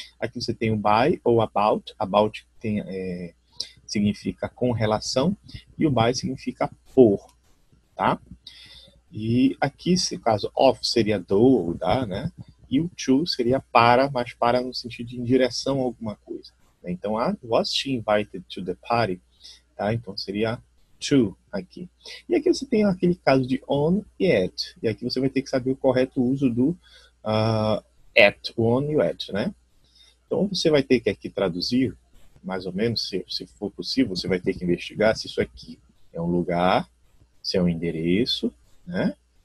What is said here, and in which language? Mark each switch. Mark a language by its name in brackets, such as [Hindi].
[Portuguese] Aqui você tem o by ou about. About tem, significa com relação e o by significa por. Tá? E aqui, se caso of seria do ou da, né? E o to seria para, mas para no sentido de em direção a alguma coisa. Né? [English] Então, I was she invited to the party? [Portuguese] Tá? Então, seria to aqui. E aqui você tem aquele caso de on e at. E aqui você vai ter que saber o correto uso do at, o on e o at, né? Então, você vai ter que aqui traduzir, mais ou menos, se for possível, você vai ter que investigar se isso aqui é um lugar, se é um endereço, né?